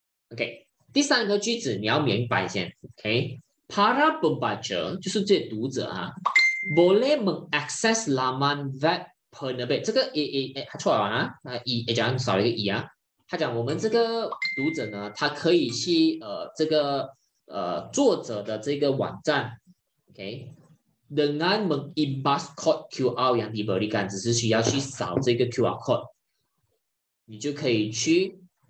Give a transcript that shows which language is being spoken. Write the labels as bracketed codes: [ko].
[zh] OK，第三个句子你要明白先。 [ms] OK，para pembaca [zh] 就是这些读者啊， [ms] boleh mengakses laman web penerbit。 [zh] 这个 A A A 他错了啊，那 E 讲少了一个 E 啊。他讲我们这个读者呢，他可以去这个作者的这个网站，OK， [ms] dengan mengimbas kod QR yang diberikan， [zh] 只是需要去扫这个 QR code，你就可以去。